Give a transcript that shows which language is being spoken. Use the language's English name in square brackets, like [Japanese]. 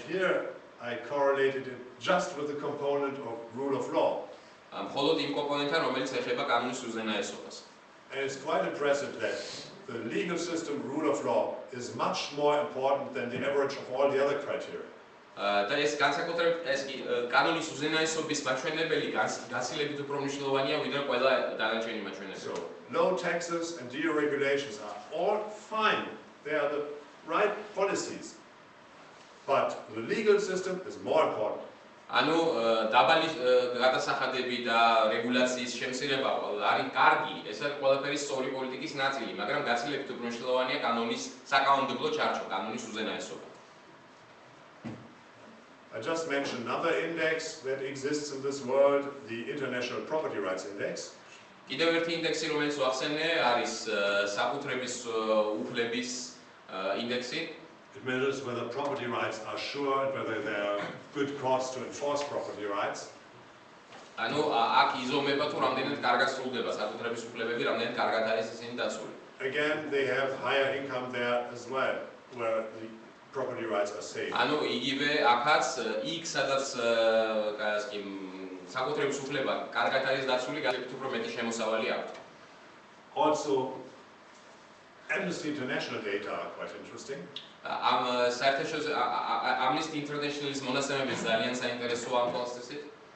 [English] here I correlated it just with the component of rule of law. And it's quite impressive that the legal system rule of law is much more important than the average of all the other criteria. [Georgian] Და ეს განსაკუთრებით ეს კი კანონის უზენაესობის მაჩვენებელი გასილებით უფრო მნიშვნელოვანია ვიდრე ყველა დანარჩენი მაჩვენებელი. [English] So, no taxes and deregulations are all fine. They are the right policies. But the legal system is more important. [Georgian] ანუ დაბალი გადასახადები და რეგულაციის შემცირება არის კარგი, ეს არის ყველაფერი სწორი პოლიტიკის ნაწილი, მაგრამ გასილებით უფრო მნიშვნელოვანია კანონის საკანონმდებლო ჩარჩო, კანონის უზენაესობა. [English] I just mentioned another index that exists in this world, the International Property Rights Index. [Georgian] კიდევ ერთი ინდექსი, რომელიც ვახსენე, არის საკუთრების უფლების ინდექსი. [English] It measures whether property rights are sure and whether there are good cause to enforce property rights. [Georgian] ანუ აქ იზომება თუ რამდენად კარგად სრულდება საკუთრების უფლებები, რამდენად კარგად არის ისინი დაცული. [English] Again, they have higher income there as well, where the property rights are safe. [Georgian] ანუ იგივე ახაც იქ სადაც კაი საკუთრების უფლება კარგად არის დაცული, გაიგეთ უფრო მეტი შემოსავალი აქვთ. [English] Also Amnesty International data are quite interesting. [Georgian] Ამ საერთაშორისო Amnesty International-ის მონაცემები ძალიან საინტერესო ამბავსაცით.